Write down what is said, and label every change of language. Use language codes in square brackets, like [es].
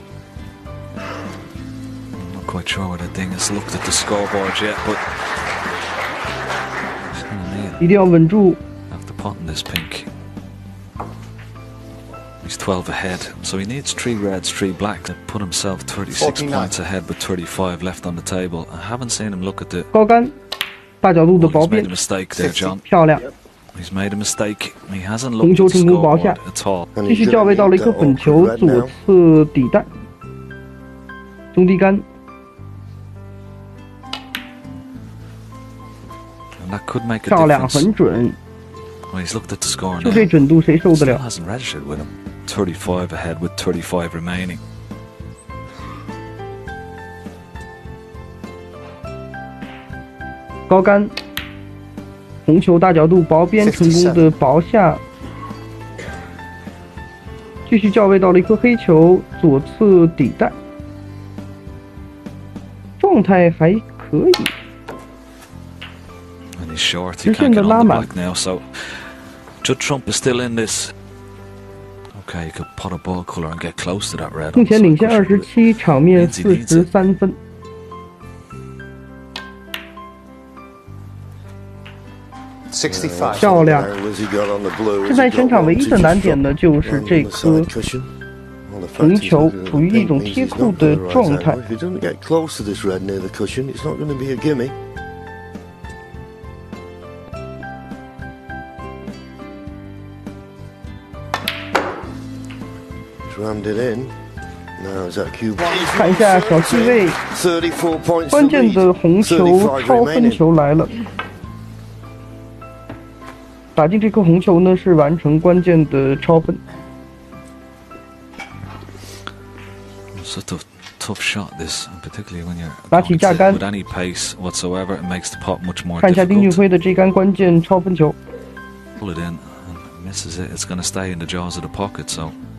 [en] I'm not quite sure what a ding has looked at the scoreboard yet, but [zh] 一定要稳住。 [en] After potting this pink, he's 12 ahead, so he needs 3 reds, 3 black to put himself 36 points ahead with 35 left on the table. I haven't seen him look at the [zh] 高杆大角度的薄边，漂亮。 [en] He's made a mistake. He hasn't [zh] 红球成功保下。继续校尉到了一颗本球左侧底带，中低杆。 [en] And that could make a [zh] 漂亮，很准。 [en] Well, he's looked at the score now. [zh] 就这准度，谁受得了 [en] ？Still hasn't registered with him. 35 ahead with 35 remaining. [zh] 高杆红球大角度薄边成功的薄下，继续校尉到了一颗黑球左侧底带，状态还可以，直线的拉满。 [en] Judd Trump is still in this. Okay, you could pot a ball cooler and get close to that red. [zh] 目前领先二十七，场面四十三分。 65 漂亮。现在全场唯一的难点呢，就是这颗红球处于一种贴库的状态。 [en] If he doesn't get close to this red near the cushion, it's not going to be a gimme. Rammed it in. Now is that cue ball? [zh] 看一下小细位，关键的红球超分球来了。打进这颗红球呢，是完成关键的超分。 [en] Sort of tough shot this, particularly when you're [zh] 拿起架杆。 [en] With any pace whatsoever, it makes the pot much more difficult. [zh] 看一下丁俊晖的这杆关键超分球。 [en] Pull it in and misses it. It's going to stay in the jaws of the pocket, so.